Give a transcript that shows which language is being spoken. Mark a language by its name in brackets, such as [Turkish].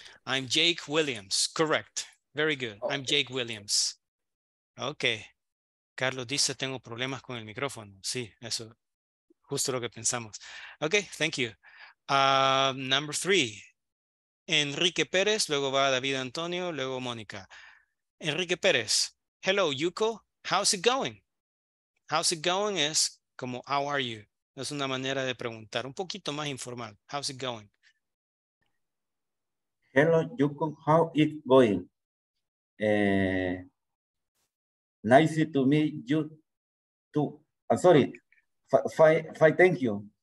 [English] I'm Jake Williams. Correct. Very good. Okay. I'm Jake Williams. Okay. [Spanish] Carlos dice, tengo problemas con el micrófono. Sí, eso. Justo lo que pensamos. [English] Okay, thank you. Number three. [Spanish] Enrique Pérez, luego va David Antonio, luego Mónica. [English] Enrique Pérez. Hello, Yuko. How's it going? How's it going [Spanish] es como, [English] how are you? [Spanish] Es una manera de preguntar, un poquito más informal. [English] How's it going? Hello, Yuko, how it going? Nice to meet you too. I'm sorry, fine, thank you.